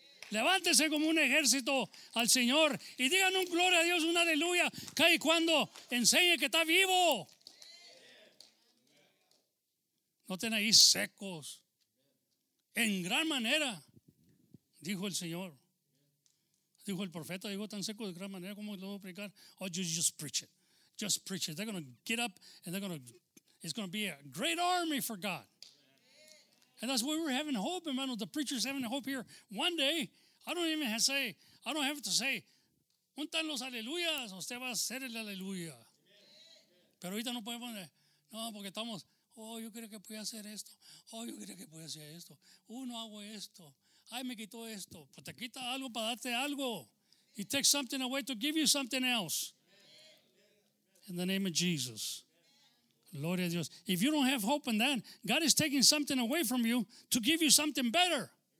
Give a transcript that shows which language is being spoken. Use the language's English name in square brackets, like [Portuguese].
[Spanish] Levántese como un ejército al Señor y digan un gloria a Dios, un aleluya, que y cuando enseñe que está vivo. No estén ahí secos. En gran manera, dijo el Señor. Dijo el profeta, dijo tan seco de gran manera, ¿cómo lo voy a predicar? [English] Oh, just preach it. Just preach it. They're going to get up and it's going to be a great army for God. And that's why we're having hope, hermano. The preacher's having hope here. One day, I don't have to say, [Spanish] untan los aleluyas, usted va a ser el aleluya. Pero ahorita no podemos, no, porque estamos, oh, yo creo que voy a hacer esto. Oh, yo creo que voy a hacer esto. No hago esto. Ay, me quitó esto. Pues te quita algo para darte algo. [English] He takes something away to give you something else. In the name of Jesus. [Spanish] Gloria a Dios. [English] If you don't have hope in that, God is taking something away from you to give you something better.